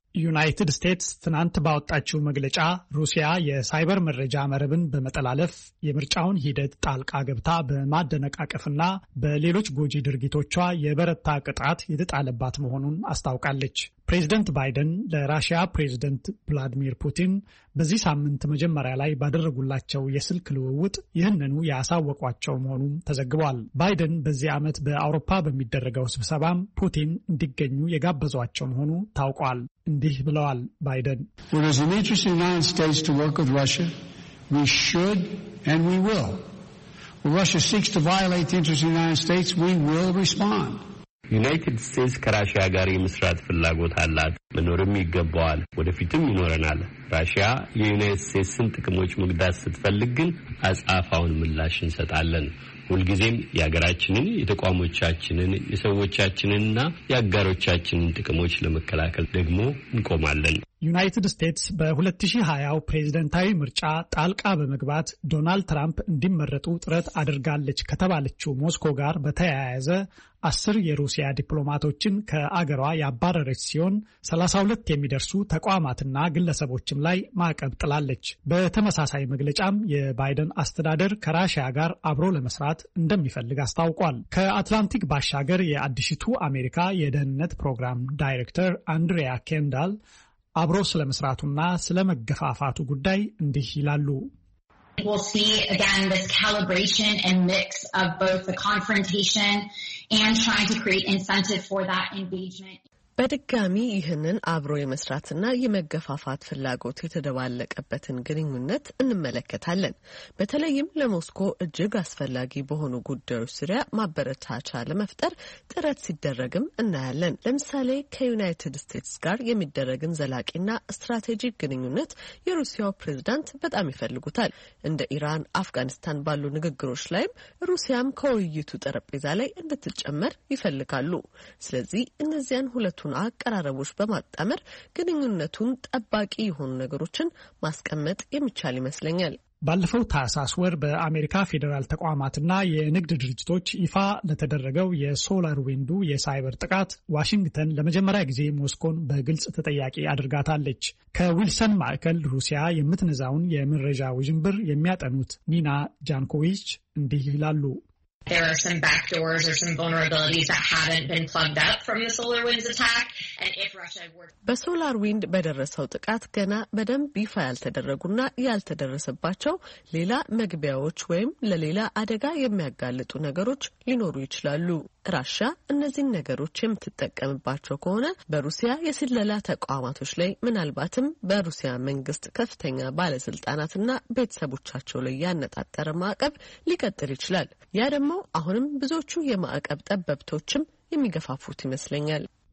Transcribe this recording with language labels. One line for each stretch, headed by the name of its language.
Amharic: ዩናይትድ ስቴትስ ትናንት ባወጣችው መግለጫ ሩሲያ የሳይበር መረጃ መረብን በመጠላለፍ የምርጫውን ሂደት ጣልቃ ገብታ በማደነቃቀፍና በሌሎች ጎጂ ድርጊቶቿ የበረታ ቅጣት የተጣለባት መሆኑን አስታውቃለች። ፕሬዚደንት ባይደን ለራሽያ ፕሬዚደንት ቭላዲሚር ፑቲን በዚህ ሳምንት መጀመሪያ ላይ ባደረጉላቸው የስልክ ልውውጥ ይህንኑ ያሳወቋቸው መሆኑም ተዘግቧል። ባይደን በዚህ ዓመት በአውሮፓ በሚደረገው ስብሰባም ፑቲን እንዲገኙ የጋበዟቸው መሆኑ ታውቋል። እንዲህ ብለዋል ባይደን።
English: There is an interest in the United States to work with Russia. We should and we will. When Russia seeks to violate the interests of the United States, we will respond.
Amharic: ዩናይትድ ስቴትስ ከራሽያ ጋር የመስራት ፍላጎት አላት። መኖርም ይገባዋል። ወደፊትም ይኖረናል። ራሽያ የዩናይትድ ስቴትስን ጥቅሞች መግዳት ስትፈልግ ግን አጻፋውን ምላሽ እንሰጣለን። ሁልጊዜም የሀገራችንን፣ የተቋሞቻችንን፣ የሰዎቻችንንና የአጋሮቻችንን ጥቅሞች ለመከላከል ደግሞ እንቆማለን። ዩናይትድ ስቴትስ በ2020 ፕሬዝደንታዊ ምርጫ ጣልቃ በመግባት ዶናልድ ትራምፕ እንዲመረጡ ጥረት አድርጋለች ከተባለችው ሞስኮ ጋር በተያያዘ 10 የሩሲያ ዲፕሎማቶችን ከአገሯ ያባረረች ሲሆን 32 የሚደርሱ ተቋማትና ግለሰቦችም ላይ ማዕቀብ ጥላለች። በተመሳሳይ መግለጫም የባይደን አስተዳደር ከራሽያ ጋር አብሮ ለመስራት እንደሚፈልግ አስታውቋል። ከአትላንቲክ ባሻገር የአዲሲቱ አሜሪካ የደህንነት ፕሮግራም ዳይሬክተር አንድሪያ ኬንዳል አብሮ ስለመስራቱና ስለመገፋፋቱ ጉዳይ እንዲህ ይላሉ።
English: We'll see again this calibration and mix of both the confrontation and trying to create incentive for that engagement.
Amharic: በድጋሚ ይህንን አብሮ የመስራትና የመገፋፋት ፍላጎት የተደባለቀበትን ግንኙነት እንመለከታለን። በተለይም ለሞስኮ እጅግ አስፈላጊ በሆኑ ጉዳዮች ዙሪያ ማበረታቻ ለመፍጠር ጥረት ሲደረግም እናያለን። ለምሳሌ ከዩናይትድ ስቴትስ ጋር የሚደረግን ዘላቂና ስትራቴጂክ ግንኙነት የሩሲያው ፕሬዝዳንት በጣም ይፈልጉታል። እንደ ኢራን፣ አፍጋኒስታን ባሉ ንግግሮች ላይም ሩሲያም ከውይይቱ ጠረጴዛ ላይ እንድትጨመር ይፈልጋሉ። ስለዚህ እነዚያን ሁለቱን አቀራረቦች በማጣመር ግንኙነቱን ጠባቂ የሆኑ ነገሮችን ማስቀመጥ የሚቻል ይመስለኛል። ባለፈው ታህሳስ ወር በአሜሪካ ፌደራል ተቋማትና የንግድ ድርጅቶች ይፋ ለተደረገው የሶላር ዊንዱ የሳይበር ጥቃት ዋሽንግተን ለመጀመሪያ ጊዜ ሞስኮን በግልጽ ተጠያቂ አድርጋታለች። ከዊልሰን ማዕከል ሩሲያ የምትነዛውን የመረጃ ውዥንብር የሚያጠኑት ኒና ጃንኮቪች እንዲህ ይላሉ።
English: There are some backdoors or some vulnerabilities that haven't been plugged up from the SolarWinds attack. And if Russia were...
Amharic: በሶላርዊንd በደረሰው ጥቃት ገና በደንብ ይፋ ያልተደረጉና ያልተደረሰባቸው ሌላ መግቢያዎች ወይም ለሌላ አደጋ የሚያጋልጡ ነገሮች ሊኖሩ ይችላሉ። ራሻ እነዚህን ነገሮች የምትጠቀምባቸው ከሆነ በሩሲያ የስለላ ተቋማቶች ላይ ምናልባትም በሩሲያ መንግስት ከፍተኛ ባለስልጣናትና ቤተሰቦቻቸው ላይ ያነጣጠረ ማዕቀብ ሊቀጥል ይችላል። ያ ደግሞ አሁንም ብዙዎቹ የማዕቀብ ጠበብቶችም የሚገፋፉት ይመስለኛል።